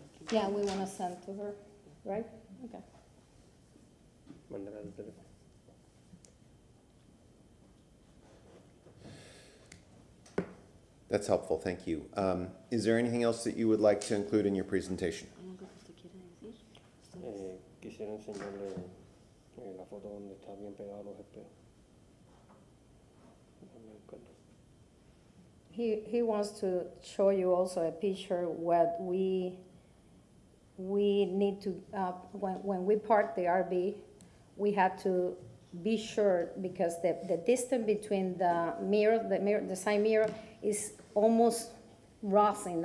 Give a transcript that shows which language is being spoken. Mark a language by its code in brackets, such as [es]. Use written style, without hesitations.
[en] Yeah, we want to send to her, right? Okay. That's helpful, thank you. Is there anything else that you would like to include in your presentation? [es] Quisiera enseñarle la foto donde está bien pegado los espejos. [en] He wants to show you also a picture what we need to when we park the RV, we have to be sure because the distance between the mirror the side mirror is almost crossing.